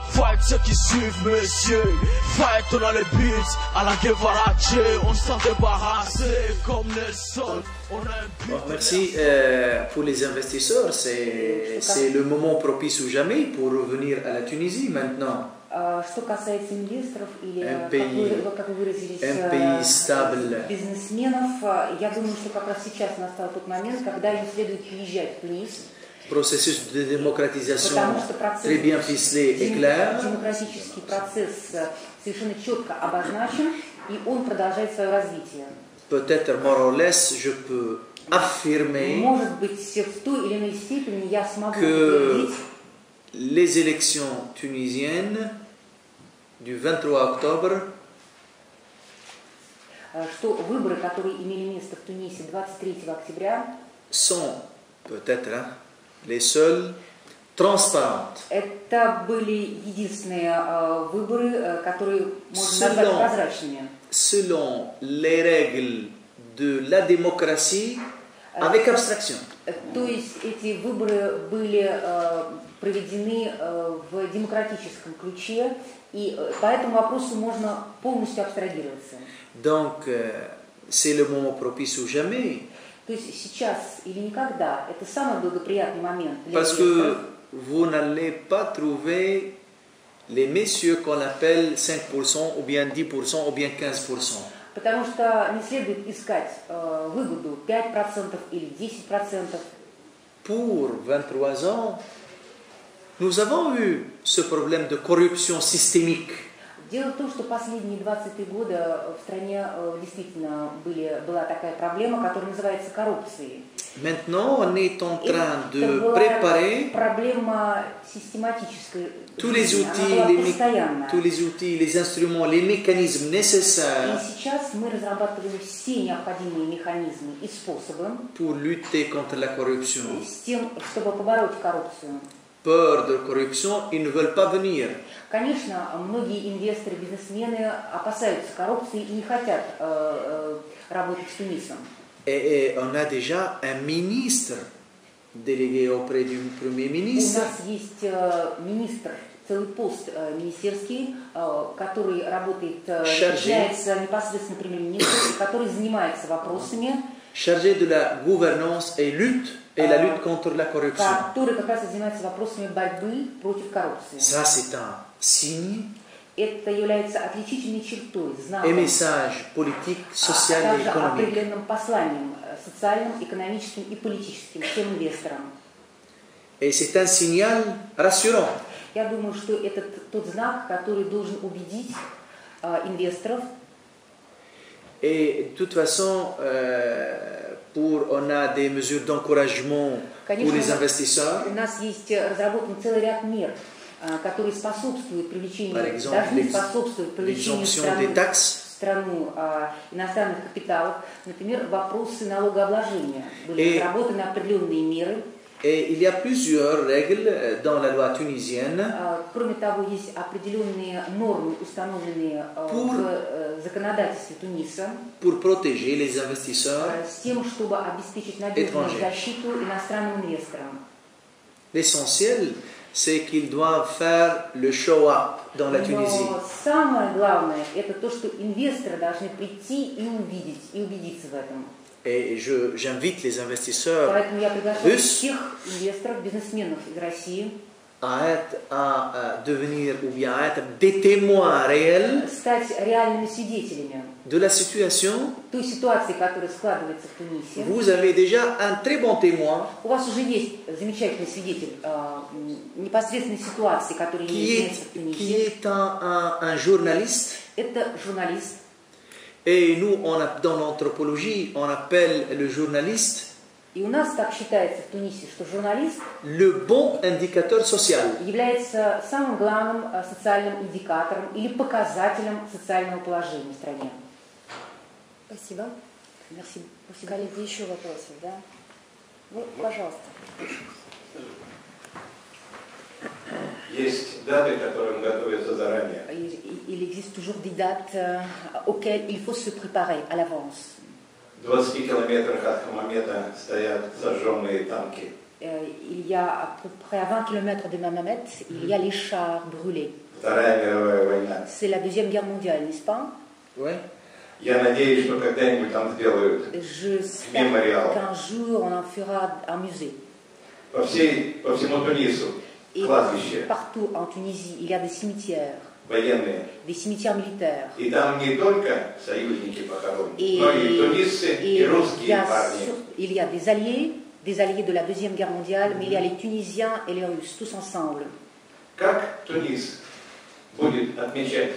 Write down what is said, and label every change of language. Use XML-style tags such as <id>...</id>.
<fr>Fight ceux qui suivent, messieurs. Fight, on a les beats, à la Guevara, on s'en débarrasse comme les sols. On a un beat. Merci pour les investisseurs. C'est le moment propice ou jamais pour revenir à la Tunisie maintenant.</fr> <ru>Что касается инвесторов или</ru> <fr>un pays stable.</fr> <ru>Бизнесменов, я думаю, что как раз сейчас настал тот момент, когда им следует уезжать в Тунис. Процесс демократизации демократический процесс совершенно четко обозначен, и он продолжает свое развитие.</ru> <fr>Peut-être</fr> <en>more or less,</en> <fr>je peux affirmer.</fr> <ru>Может быть, в той или иной степени я смогу</ru> <fr>que... Les élections tunisiennes du 23 octobre.</fr> <ru>Что выборы, которые имели место в Тунисе 23 октября,</ru> <fr>sont peut-être les seuls transparents.</fr> <ru>Это были единственные выборы, которые можно назвать прозрачными.</ru> <fr>Selon les règles de la démocratie, avec abstraction.</fr> <ru>То есть эти выборы были проведены в демократическом ключе, и по этому вопросу можно полностью абстрагироваться.</ru> <fr>Donc, c'est le moment propice ou jamais.</fr> <ru>То есть сейчас или никогда, это самый благоприятный момент.</ru> <fr>Parce que vous n'allez pas trouver les messieurs qu'on appelle 5% ou bien 10% ou bien 15%.</fr> <ru>Потому что не следует искать выгоду 5% или 10%.</ru> <fr>Pour 23 ans, nous avons eu ce problème de corruption systémique.</fr> <ru>Дело в том, что последние 23 года в стране действительно была такая проблема, которая называется коррупцией.</ru> <fr>Maintenant, on est en train de préparer</fr> <ru>проблема систематическая.</ru> <fr>Tous les outils, les instruments, les mécanismes nécessaires.</fr> <ru>И сейчас мы разрабатываем все необходимые механизмы и способы</ru> <fr>pour lutter contre la corruption.</fr> <ru>С тем, чтобы побороть коррупцию.</ru> <fr>Peur de corruption, ils ne veulent pas venir.</fr> <ru>Конечно, многие инвесторы, бизнесмены опасаются коррупции и не хотят работать с Тунисом.</ru> <fr>Et on a déjà un ministre délégué auprès du premier ministre.</fr> <ru>У нас есть министр, целый пост министерский, который работает, является непосредственно премьер-министром, который занимается вопросами.</ru> <fr>Chargé de la gouvernance et lutte. Et la lutte contre la corruption.</fr> <ru>Который как раз занимается вопросами борьбы против коррупции.</ru> <fr>Ça, c'est un signe.</fr> <ru>Это является отличительной чертой, знаком.</ru> <fr>Et message politique, social et économique.</fr> <ru>Также определенным посланием социальным, экономическим и политическим всем инвесторам.</ru> <fr>Et c'est un signal rassurant.</fr> <ru>Я думаю, что это тот знак, который должен убедить инвесторов.</ru> <fr>Et de toute façon, on a des mesures d'encouragement pour les investisseurs.</fr> <ru>У нас есть разработан целый ряд мер, которые способствуют привлечению, в страну иностранных капиталов. Например, вопросы налогообложения. Были разработаны определенные меры.</ru> <fr>Et il y a plusieurs règles dans la loi tunisienne.</fr> <ru>Кроме того, есть определенные нормы, установленные в законодательстве Туниса.</ru> <fr>Pour protéger les investisseurs.</fr> <ru>С тем, чтобы обеспечить надежную защиту иностранным инвесторам.</ru> <fr>L'essentiel, c'est qu'ils doivent faire le</fr> <en>show up</en> <fr>dans la Tunisie.</fr> <ru>Но самое главное это то, что инвесторы должны прийти и увидеть и убедиться в этом.</ru> <fr>Et j'invite les investisseurs russes à devenir ou bien à être des témoins réels</fr> <ru>стать реальными свидетелями</ru> <fr>de la situation.</fr> <ru>Той ситуации, которая складывается в Тунисе.</ru> <fr>Vous avez déjà un très bon témoin.</fr> <ru>У вас уже есть замечательный свидетель непосредственной ситуации, которая имеет место в Тунисе.</ru> <fr>Qui est un journaliste.</fr> <ru>Это журналист.</ru> <fr>Et nous, dans l'anthropologie, on appelle le journaliste</fr> <ru>И у нас так считается в Тунисе, что журналист</ru> <fr>le bon indicateur social.</fr> <ru>Является самым главным социальным индикатором или показателем социального положения в стране. Спасибо.</ru> <fr>Merci.</fr> <ru>Спасибо. Коллеги, еще вопросы, да? Ну, пожалуйста. Есть даты, которым готовятся заранее?</ru> <fr>Il existe toujours des dates auxquelles il faut se préparer à l'avance.</fr> <ru>В 20 километрах от Хамамета стоят зажженные танки.</ru> <fr>Il y a à peu près à 20 km de Mamamet, il y a les chars brûlés.</fr> <ru>Вторая мировая война.</ru> <fr>C'est la deuxième guerre mondiale, n'est-ce pas? Oui.</fr> <ru>Я надеюсь, что когда-нибудь там сделают мемориал.</ru> <fr>Qu'un jour on en fera un musée.</fr> <ru>По всему Тунису.</ru> <fr>Et</fr> <ru>кладбище.</ru> <fr>Partout en Tunisie, il y a des cimetières.</fr> <ru>Военные.</ru> <fr>Des cimetières militaires.</fr> <ru>И там не только союзники похоронены, но и тунисцы, и русские парни.</ru> <fr>Il y a des alliés de la Deuxième Guerre mondiale, mais il y a les Tunisiens et les Russes, tous ensemble.</fr> <ru>Как Тунис будет отмечать?</ru>